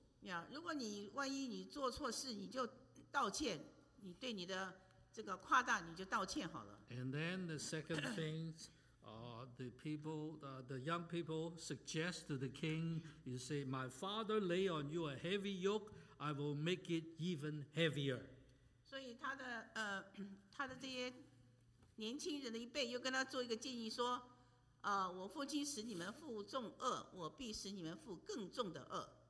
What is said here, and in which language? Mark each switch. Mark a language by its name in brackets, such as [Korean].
[Chinese] Yeah, 如果你万一你做错事你就道歉，你对你的这个夸大你就道歉好了。 [English] And then the second thing the people, the young people suggest to the king, you say, my father lay on you a heavy yoke, I will make it even heavier. [Chinese] 所以他的他的这些年轻人的一辈又跟他做一个建议说，我父亲使你们负重轭，我必使你们负更重的轭。